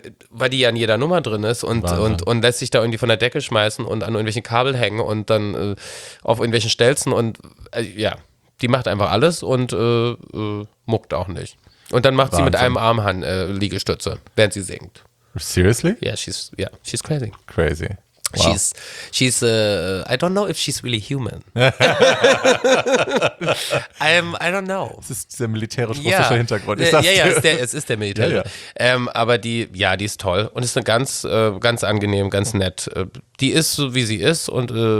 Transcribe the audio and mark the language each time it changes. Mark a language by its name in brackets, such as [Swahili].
[German] Weil die ja an jeder Nummer drin ist und lässt sich da irgendwie von der Decke schmeißen und an irgendwelchen Kabel hängen und dann auf irgendwelchen Stelzen und die macht einfach alles und muckt auch nicht. Und dann macht Wahnsinn. Sie mit einem Arm Liegestütze, während sie singt. [English] Seriously? Yeah, she's crazy. Crazy. Wow. She's I don't know if she's really human. I don't know. [German] Es ist der militärisch-russische Hintergrund. Es ist der militärische. Ja. Aber die ist toll und ist eine ganz, ganz angenehm, ganz nett. Die ist so, wie sie ist und